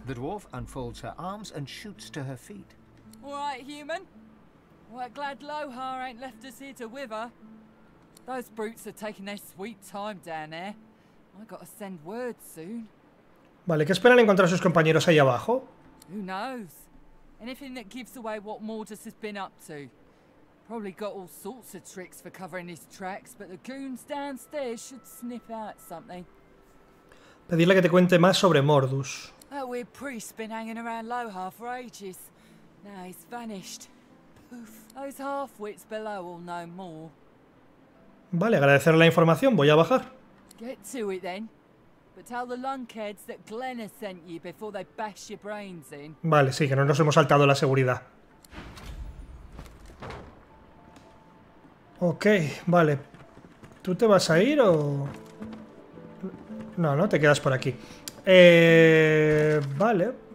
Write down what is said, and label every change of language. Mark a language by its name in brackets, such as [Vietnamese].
[English] The dwarf unfolds her arms and shoots to her feet. Right, human. We're glad Lohar ain't left us here to wither. Those brutes are taking their sweet time down there. I gotta send word soon. [Spanish] Vale, ¿qué esperan encontrar a sus compañeros ahí abajo? [English] Who knows? Anything that gives away what Mordus has been up to. Probably got all sorts of tricks for covering his tracks, but the goons downstairs should sniff out something. [Spanish] Pedirle que te cuente más sobre Mordus. [English] That weird priest's been hanging around Lohar for ages. Now he's vanished. Poof. Those half-wits below will know more. [Spanish] Vale, agradecer la información. Voy a bajar. [English] Get to it then. But tell the lunkheads that Glenna sent you before they bash your brains in. [Spanish] Vale, sí, que no nos hemos saltado la seguridad. Ok, vale. ¿Tú te vas a ir o...? No, no, te quedas por aquí. Vale.